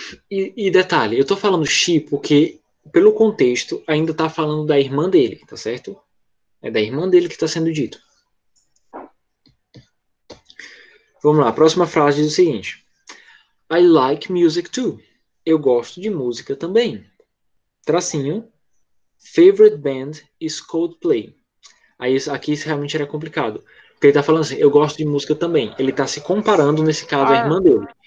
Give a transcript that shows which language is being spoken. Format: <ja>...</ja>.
<pt>E detalhe, eu tô falando she porque, pelo contexto, ainda tá falando da irmã dele, tá certo? É da irmã dele que tá sendo dito. Vamos lá, a próxima frase diz o seguinte.</pt> <en>I like music too.</en> <pt>Eu gosto de música também. Tracinho.</pt> <en>Favorite band is Coldplay.</en> <pt>Aí, aqui isso realmente era complicado. Porque ele tá falando assim, eu gosto de música também. Ele tá se comparando, nesse caso, à irmã dele.</pt>